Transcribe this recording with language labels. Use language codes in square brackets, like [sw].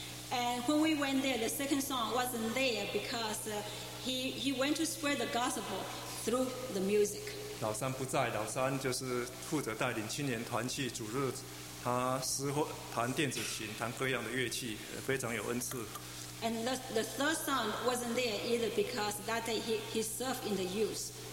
[en] And when we went there, the second song wasn't there because he went to spread the gospel through the music. [zh] 老三不在，老三就是负责带领青年团去主日，他弹电子琴，弹各样的乐器，非常有恩赐。 [en] And the third song wasn't there either because that day he served in the youth.